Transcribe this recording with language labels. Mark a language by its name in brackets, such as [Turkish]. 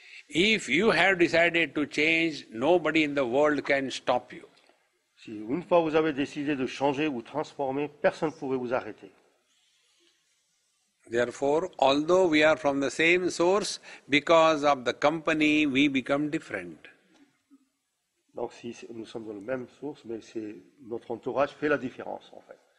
[English] If you have decided to change, nobody in the world can stop you. [French] Si une fois vous avez décidé de changer ou transformer, personne ne pourrait vous arrêter. [English] Therefore, although we are from the same source, because of the company, we become different. [French] Donc, si nous sommes dans la même source, mais c'est notre entourage fait la différence, en fait.